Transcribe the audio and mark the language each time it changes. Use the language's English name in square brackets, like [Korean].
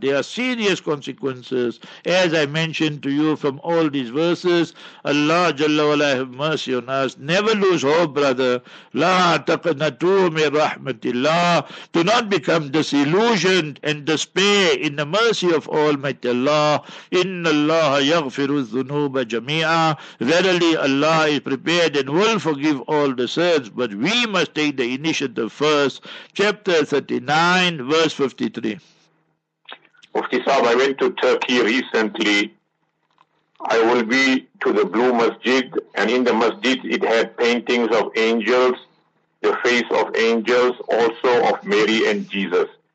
[English] There are serious consequences, as I mentioned to you from all these verses. Allah Jalla Wala have mercy on us. Never lose hope, brother. [Arabic] لا تقنطوا من رحمة الله. [English] Do not become disillusioned and despair in the mercy of Almighty Allah. [Arabic] إن الله يغفر الذنوب جميعا. [English] Verily Allah is prepared and will forgive all the sins, but we must take the initiative first. Chapter 39, verse 53. Mufti Sahab, I went to Turkey recently. I will be to the Blue Masjid, and in the masjid it had paintings of angels, the face of angels, also of Mary and Jesus.